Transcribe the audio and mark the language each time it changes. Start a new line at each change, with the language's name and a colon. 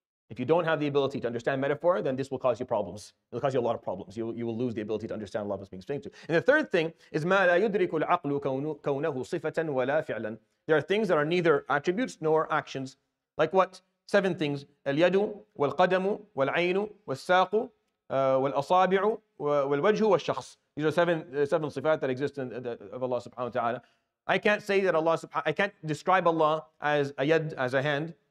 English: If you don't have the ability to understand metaphor, then this will cause you problems. It'll cause you a lot of problems. You will lose the ability to understand Allah is being explained to. And the third thing is
Arabic: مَا لَا يُدْرِكُ الْعَقْلُ كَوْنَهُ صِفَةً وَلَا فِعْلًا.
English: There are things that are neither attributes nor actions. Like what? 7 things.
Arabic: الْيَدُ وَالْقَدَمُ وَالْعَيْنُ وَالسَّاقُ وَالْأَصَابِعُ وَالْوَجْهُ وَالشَّخْصُ.
English: These are seven sifat that exist of Allah subhanahu wa ta'ala. I can't say that Allah I can't describe Allah as a yad, as a hand.